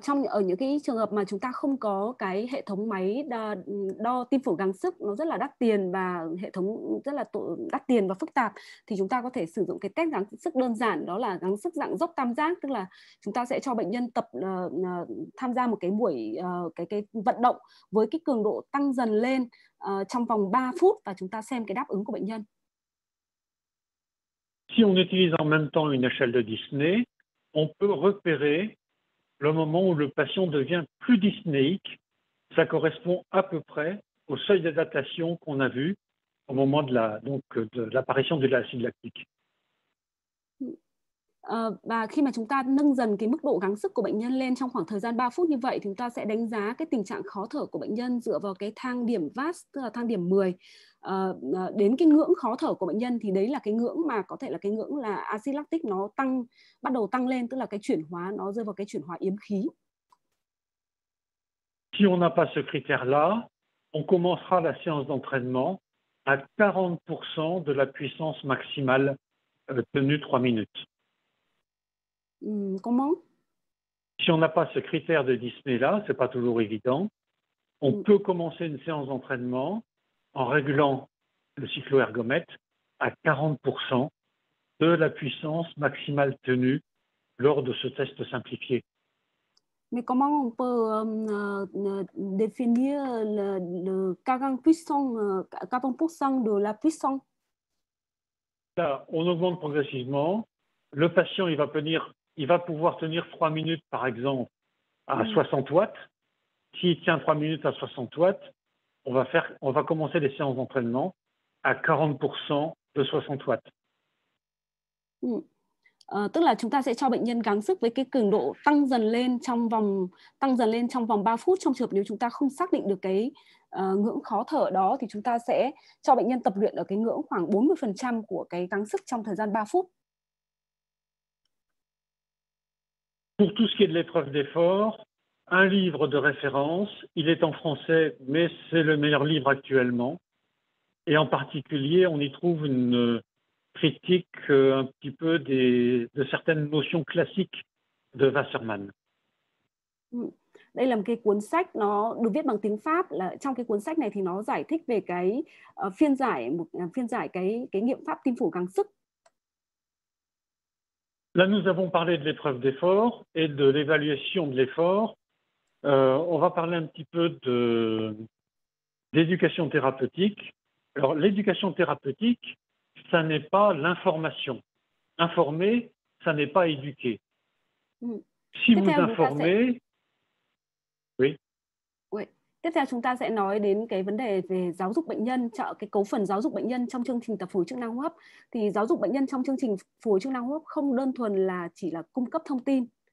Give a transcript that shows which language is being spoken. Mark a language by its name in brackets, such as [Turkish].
[Vietnamese] Ở những cái trường hợp mà chúng ta không có cái hệ thống máy đo tim phổ gắng sức, nó rất là đắt tiền và hệ thống rất là đắt tiền và phức tạp, thì chúng ta có thể sử dụng cái test gắng sức đơn giản, đó là gắng sức dạng dốc tam giác, tức là chúng ta sẽ cho bệnh nhân tập tham gia một cái buổi cái vận động với cái cường độ tăng dần lên trong vòng 3 phút và chúng ta xem cái đáp ứng của bệnh nhân. [French] Si on utilise en même temps une échelle de Disney, on peut repérer le moment où le patient devient plus dyspnéique, ça correspond à peu près au seuil d'adaptation qu'on a vu au moment de l'apparition de l'acide lactique. [Vietnamese] Và khi mà chúng ta nâng dần cái mức độ gắng sức của bệnh nhân lên trong khoảng thời gian 3 phút như vậy, thì chúng ta sẽ đánh giá cái tình trạng khó thở của bệnh nhân dựa vào cái thang điểm VAS, tức là thang điểm 10. Đến cái ngưỡng khó thở của bệnh nhân thì đấy là cái ngưỡng mà có thể là cái ngưỡng là acid lactic nó tăng, bắt đầu tăng lên, tức là cái chuyển hóa, nó rơi vào cái chuyển hóa yếm khí. [French] Si on n'a pas ce critère-là, on commencera la séance d'entraînement à 40% de la puissance maximale tenue 3 minutes. Comment? Si on n'a pas ce critère de Disney là, ce n'est pas toujours évident, on peut commencer une séance d'entraînement en régulant le cycloergomètre à 40% de la puissance maximale tenue lors de ce test simplifié. Mais comment on peut définir le 40% de la puissance? Là, on augmente progressivement. Le patient, il va pouvoir tenir 3 minutes, par exemple, à 60 watts. S'il tient 3 minutes à 60 watts, on va commencer les séances d'entraînement à 40% de 60 watts. [Vietnamese] Tức là chúng ta sẽ cho bệnh nhân gắng sức với cái cường độ tăng dần lên trong vòng 3 phút. Trong trường hợp nếu chúng ta không xác định được cái ngưỡng khó thở đó thì chúng ta sẽ cho bệnh nhân tập luyện ở cái ngưỡng khoảng 40% của cái gắng sức trong thời gian 3 phút. [French] Pour tout ce qui est de l'épreuve d'effort, un livre de référence, il est en français, mais c'est le meilleur livre actuellement. Et en particulier, on y trouve une critique un petit peu de certaines notions classiques de Wasserman. [Vietnamese] Đây là một cái cuốn sách, nó được viết bằng tiếng Pháp. Là trong cái cuốn sách này thì nó giải thích về cái phiên giải cái nghiệm pháp tim phổ gắng sức. [French] Là nous avons parlé de l'épreuve d'effort et de l'évaluation de l'effort. On va parler un petit peu d'éducation thérapeutique. Alors, l'éducation thérapeutique, ça n'est pas l'information. Informer, ça n'est pas éduquer. Si vous informez... Oui. Oui. [Vietnamese] Tiếp theo, chúng ta sẽ nói đến cái vấn đề về giáo dục bệnh nhân, cái cấu phần giáo dục bệnh nhân trong chương trình tập phục hồi chức năng hô hấp. Thì giáo dục bệnh nhân trong chương trình phục hồi chức năng hô hấp không đơn thuần là chỉ là cung cấp thông tin.